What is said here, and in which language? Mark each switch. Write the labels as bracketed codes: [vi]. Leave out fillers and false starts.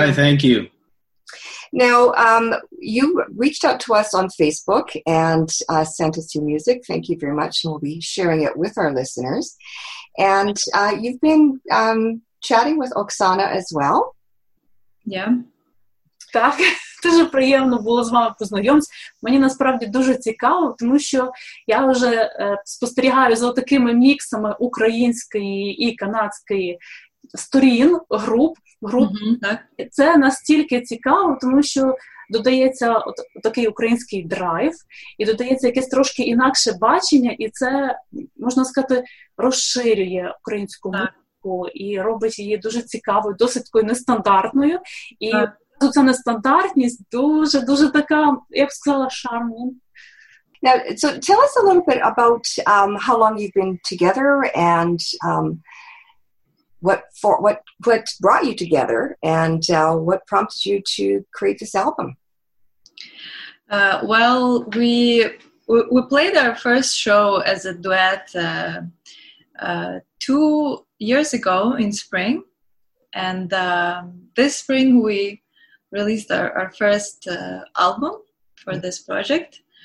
[en] Hi, thank you. Now, you reached out to us on Facebook and sent us your music. Thank you very much, and we'll be sharing it with our listeners. And you've been chatting with Oksana as well. Yeah. [uk] Так, дуже приємно було з вами познайомитися. Мені насправді дуже цікаво, тому що я вже спостерігаю за такими міксами української і канадської сторін, груп. Mm-hmm, так. Це настільки цікаво, тому що додається такий український драйв, і додається якесь трошки інакше бачення, і це, можна сказати, розширює українську музику і робить її дуже цікавою, досить такою нестандартною. І тут ця нестандартність дуже-дуже така, я б сказала, шармна. [en] Now, so tell us a little bit about how long you've been together and what brought you together, and what prompted you to create this album? Well, we played our first show as a duet 2 years ago in spring, and this spring we released our first album for this project.